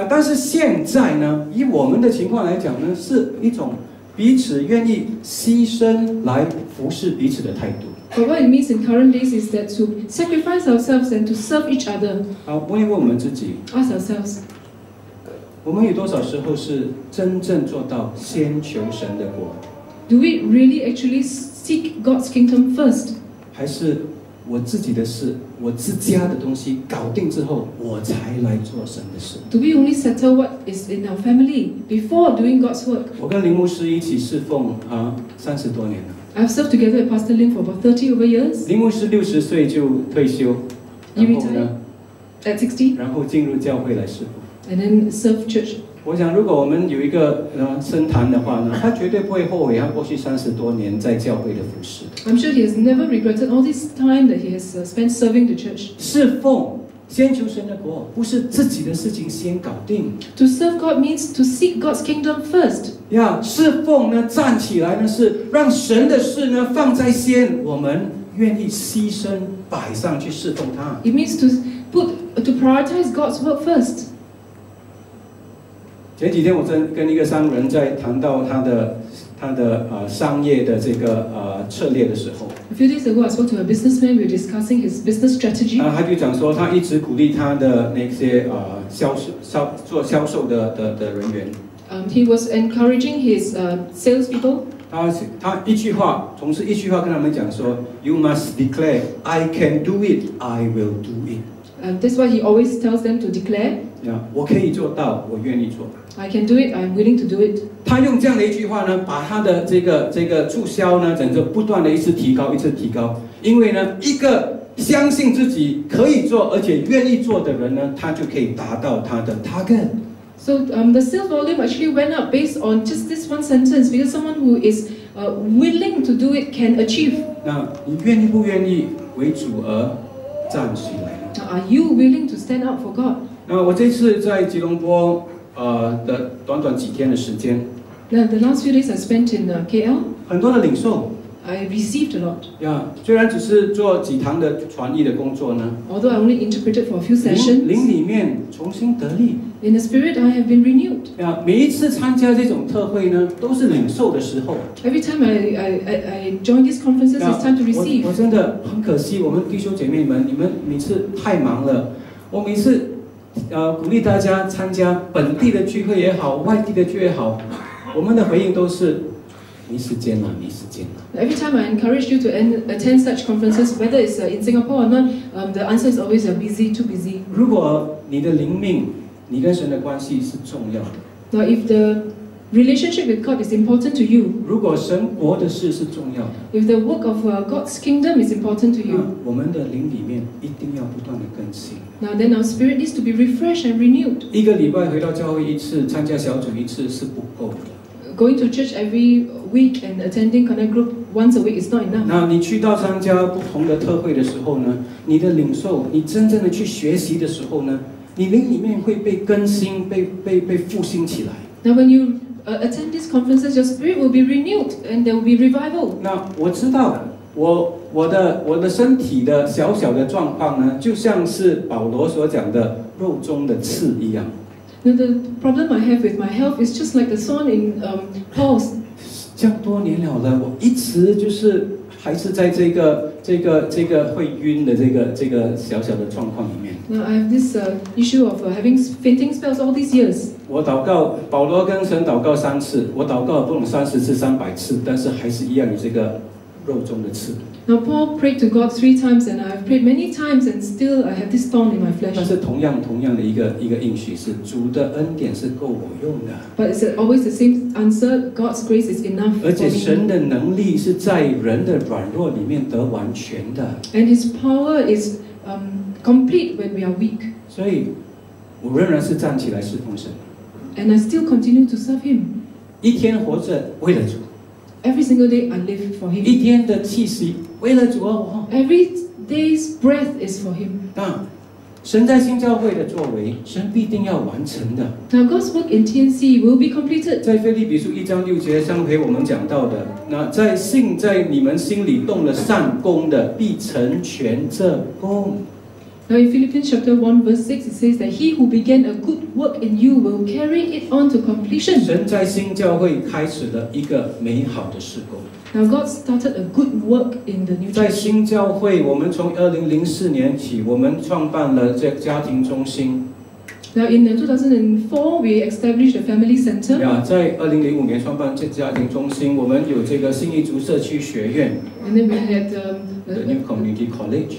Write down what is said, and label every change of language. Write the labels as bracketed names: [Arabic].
[Chinese] 但是现在呢，以我们的情况来讲呢，是一种彼此愿意牺牲来服侍彼此的态度。 [English] But what it means in current days is that to sacrifice ourselves and to serve each other. [Chinese] 好，问一问我们自己。 [English] Ask ourselves. [Chinese] 我们有多少时候是真正做到先求神的国 [English] ？Do we really actually seek God's kingdom first? [Chinese] 还是我自己的事，我自家的东西搞定之后，我才来做神的事 [English] ？Do we only settle what is in our family before doing God's work? [Chinese] 我跟林牧师一起侍奉啊，30多年了。 [English] I've served together with Pastor Lim for about 30 over years. [Chinese] 林牧师60岁就退休，然后呢 [English] ？At 60. [Chinese] 然后进入教会来侍奉。 [English] And then serve church. [Chinese] 我想，如果我们有一个深谈的话呢，他绝对不会后悔他过去三十多年在教会的服侍。 [English] I'm sure he has never regretted all this time that he has spent serving the church. [Chinese] 侍奉，先求神的国，不是自己的事情先搞定。 [English] To serve God means to seek God's kingdom first. [Chinese] 侍奉呢，站起来呢，是让神的事呢放在先，我们愿意牺牲摆上去侍奉他。 [English] It means to prioritize God's work first. [Chinese] 前几天我正跟一个商人在谈到他的商业的这个策略的时候。 [English] A few days ago, I spoke to a businessman. We were discussing his business strategy. [Chinese] 他就讲说，他一直鼓励他的那些做销售的人员。 [English] He was encouraging his sales people. [Chinese] 他一句话，总是一句话跟他们讲说 ， [English] You must declare, I can do it, I will do it. That's why he always tells them to declare. [Chinese] Yeah, 我可以做到，我愿意做。 [English] I can do it. I'm willing to do it. [Chinese] 他用这样的一句话呢，把他的这个促销呢，整个不断的一次提高，一次提高。因为呢，一个相信自己可以做，而且愿意做的人呢，他就可以达到他的 target. [English] So, the sales volume actually went up based on just this one sentence, because someone who is willing to do it can achieve. [Chinese] 那你愿意不愿意为主而站起来 [English] ？Now, are you willing to stand up for God? [Chinese] 那我这次在吉隆坡。的短短几天的时间。 [English] The last few days I spent in KL. [Chinese] 很多的领受。 [English] I received a lot. [Chinese] 虽然只是做几堂的传译的工作呢。 [English] Although I only interpreted for a few sessions. [Chinese] 灵里面重新得力。 [English] In the spirit, I have been renewed. [Chinese] 每一次参加这种特会呢，都是领受的时候。 [English] Every time I join these conferences, it's time to receive. [Chinese] 我真的很可惜，我们弟兄姐妹们，你们每次太忙了，我每次。鼓励大家参加本地的聚会也好，外地的聚会也好，我们的回应都是没时间了，没时间了。 [English] Every time I encourage you to attend such conferences, whether it's in Singapore or not, the answer is always busy, too busy. [Chinese] 如果你的灵命，你跟神的关系是重要的。 [English] Now, if the relationship with God is important to you, [Chinese] 如果神国的事是重要的。 [English] If the work of God's kingdom is important to you, [Chinese] 我们的灵里面一定要不断的更新。 [English] Now then, our spirit needs to be refreshed and renewed. [Chinese] 一个礼拜回到教会一次，参加小组一次是不够的。 [English] Going to church every week and attending connect group once a week is not enough. [Chinese] 那你去到参加不同的特会的时候呢，你的领受，你真正的去学习的时候呢，你灵里面会被更新，被复兴起来。 [English] Now when you attend these conferences, your spirit will be renewed and there will be revival. [Chinese] 那我知道。我的身体的小小的状况呢，就像是保罗所讲的肉中的刺一样。 [English] Now, the problem I have with my health is just like the thorn in Paul's. [Chinese] 这样多年了了，我一直就是还是在这个会晕的这个小小的状况里面。 [English] Now I have this issue of having fainting spells all these years. [Chinese] 我祷告，保罗跟神祷告三次，我祷告不懂30次、300次，但是还是一样有这个肉中的刺。 [English] Now Paul prayed to God 3 times, and I've prayed many times, and still I have this thorn in my flesh. [Chinese] 但是同样的一个应许是，主的恩典是够我用的。 [English] But it's always the same answer. God's grace is enough. [Chinese] 而且神的能力是在人的软弱里面得完全的。 [English] And His power is complete when we are weak. [Chinese] 所以，我仍然是站起来侍奉神。 [English] And I still continue to serve Him. [Chinese] 一天活着为了主。 [English] Every single day I live for Him. [Chinese] 一天的气息为了主啊！ [English] Every day's breath is for Him. [Chinese] 但神在新教会的作为，神必定要完成的。 [English] Now God's work in TNC will be completed. [Chinese] 在腓立比书一章六节，上回我们讲到的，那在信在你们心里动了善功的，必成全这功。 [English] Now in Philippians chapter 1 verse 6 it says that he who began a good work in you will carry it on to completion. [Chinese] 神在新教会开始了一个美好的事工。 [English] Now God started a good work in the new church. [Chinese] 在新教会，我们从2004年起，我们创办了这家庭中心。 [English] Now in 2004, we established a family center. [Chinese] Yeah, 在2005年创办这家庭中心，我们有这个信义竹社区学院。 [English] And then we had the new community college.